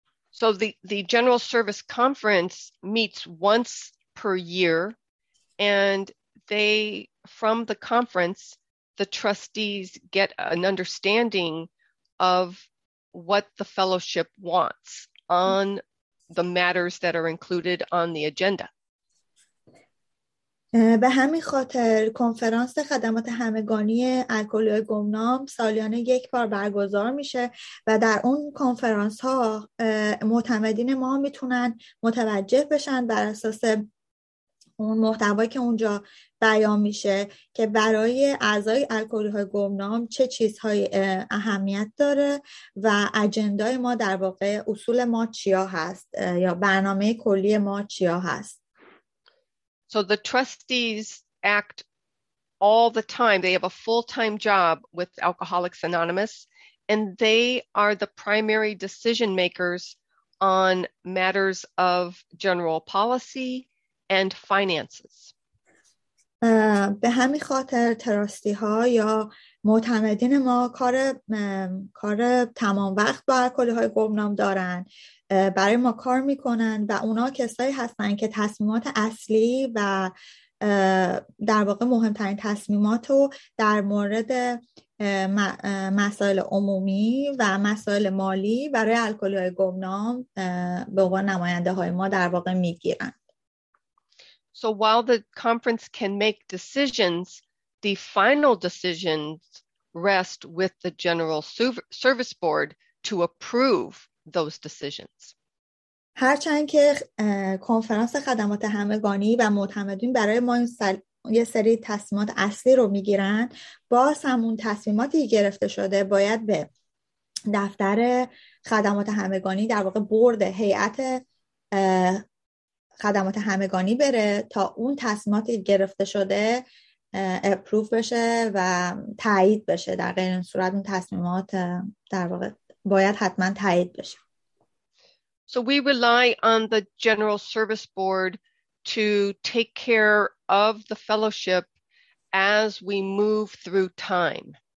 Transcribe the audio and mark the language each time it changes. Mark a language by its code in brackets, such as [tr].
[en] So the General Service Conference meets once per year, and they, from the conference, the trustees get an understanding of what the fellowship wants on the matters that are included on the agenda. [fa] به همین خاطر کنفرانس خدمات همگانی الکلی‌های گمنام سالیانه یک بار برگزار میشه و در اون کنفرانس ها معتمدین ما میتونن متوجه بشن بر اساس اون محتوایی که اونجا بیان میشه که برای اعضای الکلی‌های گمنام چه چیزهای اهمیت داره و اجندای ما در واقع اصول ما چیا هست یا برنامه کلی ما چیا هست. [en] So the trustees act all the time. They have a full-time job with Alcoholics Anonymous, and they are the primary decision makers on matters of general policy and finances. [fa] به همین خاطر تراستی ها یا معتمدین ما کار تمام وقت با الکلی های گمنام دارن، برای ما کار میکنن و اونا کسایی هستن که تصمیمات اصلی و در واقع مهمترین تصمیمات رو در مورد مسائل عمومی و مسائل مالی برای الکلی های گمنام به عنوان نماینده های ما در واقع میگیرن. [en] So while the conference can make decisions, the final decisions rest with the General Service Board to approve those decisions. [fa] هرچند که کنفرانس خدمات همگانی و معتمدین برای ما یه سری تصمیمات اصلی رو میگیرن، باز همون تصمیماتی گرفته شده باید به دفتر خدمات همگانی، در واقع بورد هیئت خدمات همگانی بره تا اون تصمیماتی گرفته شده اپروف بشه و تایید بشه. در غیر این صورت اون تصمیمات در واقع باید حتما تایید بشه. [en] So we rely on the General Service Board to take care of the fellowship as we move through time.